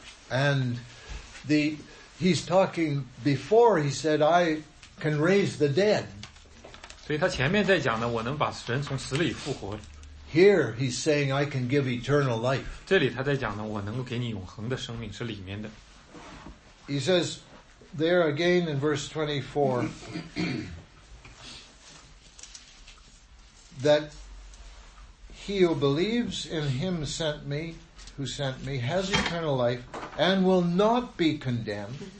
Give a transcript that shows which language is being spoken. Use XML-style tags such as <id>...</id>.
<en>And the He's talking before he said, I can raise the dead.</en> <zh>所以他前面在讲呢，我能把人从死里复活。</zh> <en>Here he's saying, I can give eternal life.</en> <zh>这里他在讲呢，我能够给你永恒的生命，是里面的。</zh> <en>He says there again in verse 24, that he who believes in him who sent me, has eternal life and will not be condemned.</en>